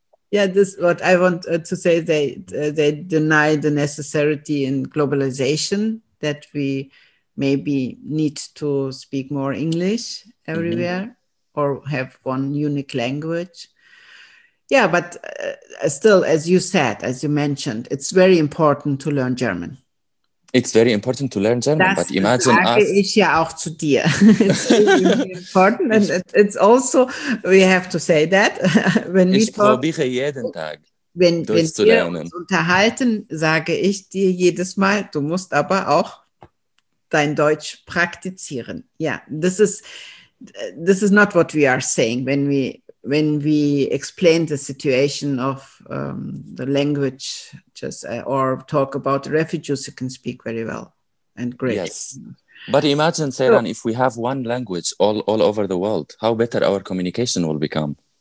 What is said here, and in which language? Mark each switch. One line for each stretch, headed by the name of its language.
English: Yeah, this what I want to say. They deny the necessity in globalization that we maybe need to speak more English everywhere or have one unique language. Yeah, but still, as you said, as you mentioned, it's very important to learn German. It's very important to learn German, but imagine us.
German: Ist ja auch zu dir.
English: It's really important. And it's also, we have to say that.
German: When ich probiere jeden Tag, wenn wir uns unterhalten, sage ich dir jedes Mal, du musst aber auch dein Deutsch praktizieren.
English: Yeah, this is not what we are saying when we explain the situation of the language just or talk about the refugees who can speak very well and great. Yes, but imagine, Seran, if we have one language all over the world, how better our communication will become.